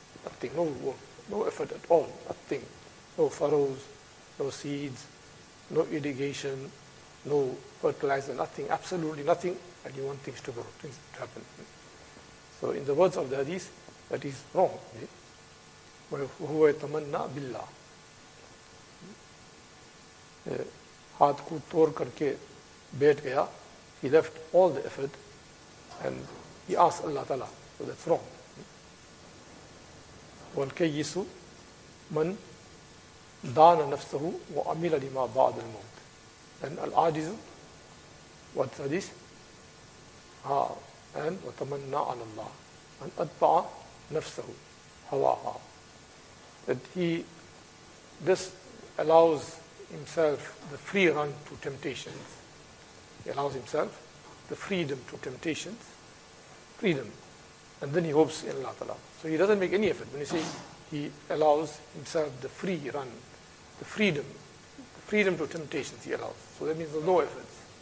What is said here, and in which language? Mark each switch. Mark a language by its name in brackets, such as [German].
[English] Nothing, no work, no effort at all, nothing. No furrows, no seeds, no irrigation, no fertilizer, nothing, absolutely nothing, and you want things to grow, things to happen. So in the words of the hadith, that is wrong. [Arabic] وَهُوَ يَتَمَنَّا بِاللَّهِ [Urdu] ہاتھ کو توڑ کر کے بیٹھ گیا. [English] He left all the effort and he asked Allah Ta'ala. So that's wrong. [Arabic] وَالْكَيِّسُ مَنْ دَانَ نَفْسَهُ وَأَمِلَ لِمَا بَعْدَ الْمَوْتِ. [English] And Al-Ajiz, what's this? And [Arabic] وَتَمَنَّا عَلَى اللَّهِ [English] and [Arabic] أَتْبَعَ نَفْسَهُ هَوَاهَا. [English] That he just allows himself the free run to temptations. He allows himself the freedom to temptations, freedom. And then he hopes in Allah Ta'ala. So he doesn't make any effort. When you say he allows himself the free run, the freedom to temptations he allows. So that means no efforts.